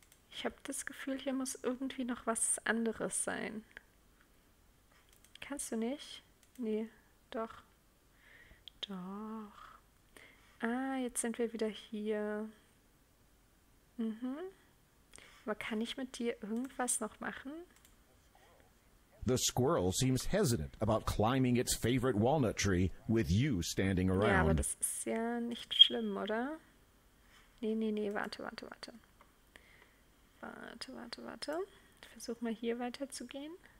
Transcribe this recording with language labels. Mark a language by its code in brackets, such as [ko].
[de] Ich habe das Gefühl, hier muss irgendwie noch was anderes sein. Kannst du nicht? Nee, doch. Doch. Ah, jetzt sind wir wieder hier. Aber kann ich mit dir irgendwas noch machen? [en] The squirrel seems hesitant about climbing its favorite walnut tree with you standing [de] Ja, aber [en] around. [de] das ist ja nicht schlimm, oder? Nee, warte, warte, warte. Warte, warte, warte. Versuch mal hier weiterzugehen.